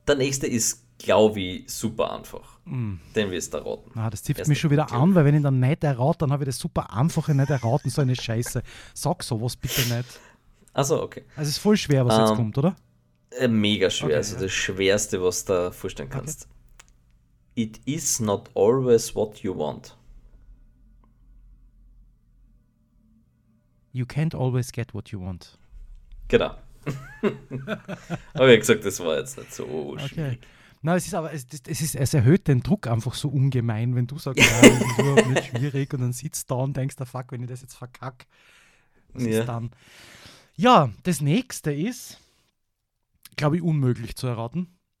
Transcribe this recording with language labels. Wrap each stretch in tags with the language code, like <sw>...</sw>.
<de>Der nächste ist, glaube ich, super einfach. Den wirst du erraten. Na, das zieht mich schon wieder an, weil wenn ich dann nicht errate, dann habe ich das super einfache nicht erraten, so eine Scheiße. Sag sowas bitte nicht. Achso, okay. Also es ist voll schwer, was jetzt kommt, oder? Mega schwer, okay, also das Schwerste, was du dir vorstellen kannst. Okay.</de> <en>It is not always what you want. You can't always get what you want.</en> <de>Genau. Aber wie gesagt, das war jetzt nicht so schwierig. Okay. Nein, es erhöht den Druck einfach so ungemein, wenn du sagst, nein, das ist nicht schwierig und dann sitzt da und denkst, fuck, wenn ich das jetzt verkacke, was ist dann? Ja, das nächste ist, glaube ich, unmöglich zu erraten.</de>